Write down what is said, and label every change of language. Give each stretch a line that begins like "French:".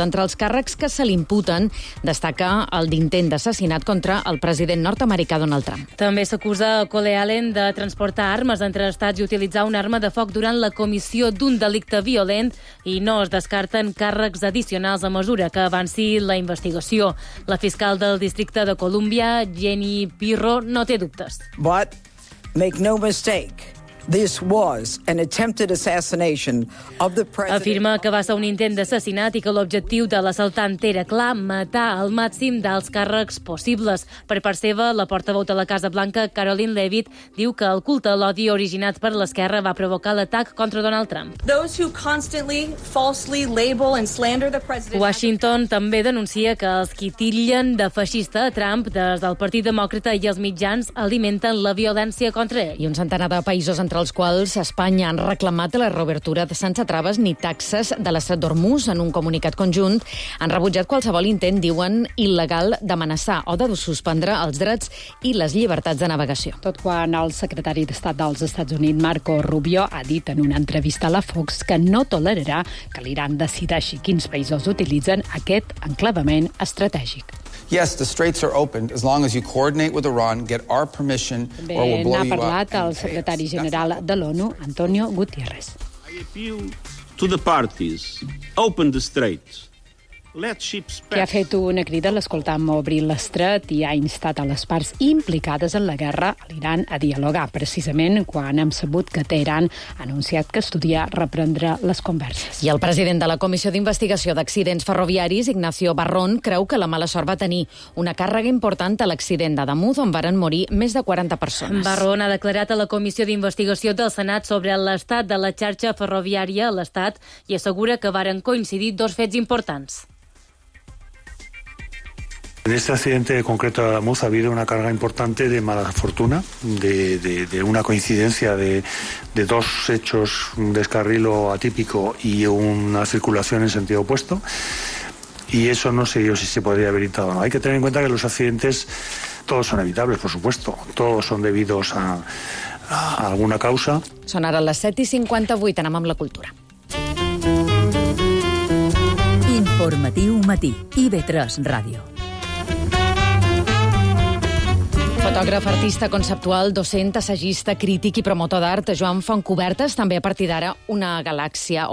Catalan: Entre els càrrecs que se li imputen, destaca el d'intent d'assassinat contra el president nord-americà Donald Trump. També s'acusa Cole Allen de transportar armes entre estats i utilitzar una arma de foc durant la comissió d'un delicte violent i no es descarten càrrecs addicionals a mesura que avanci la investigació. La fiscal del districte de Columbia, Jenny Pirro, no té dubtes.
English: But make no mistake, this was an attempted assassination of the president.
Catalan: Afirma que va ser un intent d'assassinat i que l'objectiu de l'assaltant era clar, matar al màxim d'alts càrrecs possibles. Per part seva, la portaveu de la Casa Blanca, Caroline Leavitt, diu que el culte a l'odi originat per l'esquerra va provocar l'atac contra Donald Trump.
English: Those who constantly falsely label and slander the president.
Catalan: Washington també denuncia que els qui titllen de feixista a Trump des del Partit Demòcrata i els mitjans alimenten la violència contra ell. I un centenar de països, entre els quals Espanya, han reclamat la reobertura de sense traves ni taxes de l'estat d'Hormuz. En un comunicat conjunt han rebutjat qualsevol intent, diuen, il·legal d'amenaçar o de suspendre els drets i les llibertats de navegació. Tot quan el secretari d'Estat dels Estats Units, Marco Rubio, ha dit en una entrevista a la Fox que no tolerarà que l'Iran decideixi quins països utilitzen aquest enclavament estratègic.
English: Yes, the straits are open as long as you coordinate with Iran, get our permission or we'll blow you up.
Catalan: Bé, n'ha parlat el secretari general de l'ONU, Antonio Guterres.
English: I appeal to the parties, open the straits. Let ships pass.
Catalan: Que ha fet una crida, l'escoltam obrir l'estret i ha instat a les parts implicades en la guerra a l'Iran a dialogar, precisament quan hem sabut que Teheran ha anunciat que estudia reprendre les converses. I el president de la Comissió d'Investigació d'Accidents Ferroviaris, Ignacio Barrón, creu que la mala sort va tenir una càrrega important a l'accident d'Adamuz, on varen morir més de 40 persones. Barrón ha declarat a la Comissió d'Investigació del Senat sobre l'estat de la xarxa ferroviària a l'estat i assegura que varen coincidir dos fets importants.
Spanish: En este accidente concreto de Alamuz ha habido una carga importante de mala fortuna, de una coincidencia de dos hechos, un descarrilo atípico y una circulación en sentido opuesto, y eso no sé yo si se podría haber evitado. No, hay que tener en cuenta que los accidentes todos son evitables, por supuesto, todos son debidos a alguna causa.
Catalan: Son ara les 7:58, anem amb la cultura. Informatiu Matí, IB3 Ràdio. Fotògraf, artista conceptual, docent, assagista, crític i promotor d'art, Joan Fontcobertes, també a partir d'ara una galàxia.